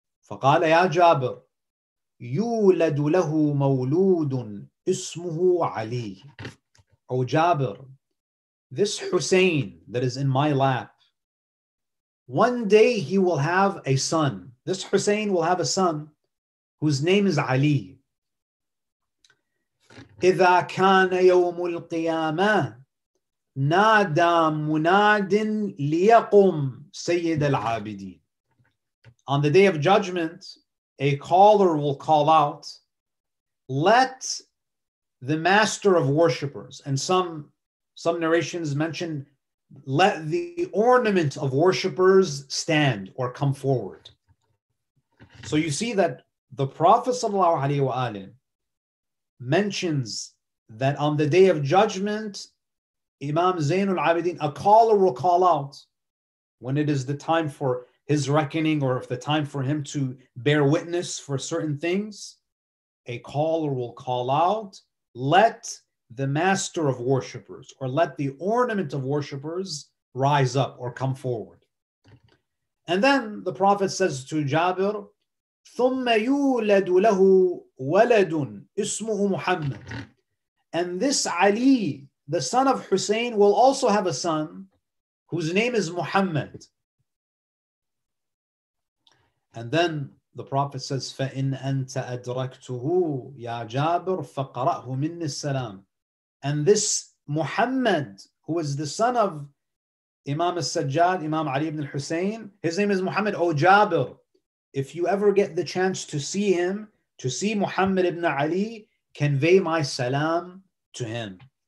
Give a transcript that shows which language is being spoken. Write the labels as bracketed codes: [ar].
[ar] فَقَالَ يَا جَابِرُ. يولد له مولود اسمه علي. [en] O Jabir, this Hussein that is in my lap, one day he will have a son. This Hussein will have a son whose name is Ali. [ar] إذا كان يوم القيامة نادى مناد ليقم سيد العابدين. [en] On the day of judgment, a caller will call out, let the master of worshippers, and some narrations mention, let the ornament of worshippers stand or come forward. So you see that the Prophet [ar] sallallahu alaihi wa alihi [en] mentions that on the day of judgment, Imam Zainul Abidin, a caller will call out when it is the time for his reckoning, or if the time for him to bear witness for certain things, a caller will call out, let the master of worshipers, or let the ornament of worshipers rise up or come forward. And then the Prophet says to Jabir, [ar] ثُمَّ يُولَدُ لَهُ وَلَدٌ إِسْمُهُ مُحَمَّدٌ. [en] And this Ali, the son of Hussein, will also have a son whose name is Muhammad. And then the Prophet says, [ar] فَإِنْ أَنْتَ أَدْرَكْتُهُ يَا جَابِرُ فَقَرَأْهُ مِنِّ السَّلَامِ. [en] And this Muhammad, who is the son of Imam al-Sajjad, Imam Ali ibn al-Husayn, his name is Muhammad, O Jabir. If you ever get the chance to see him, to see Muhammad ibn Ali, convey my salam to him.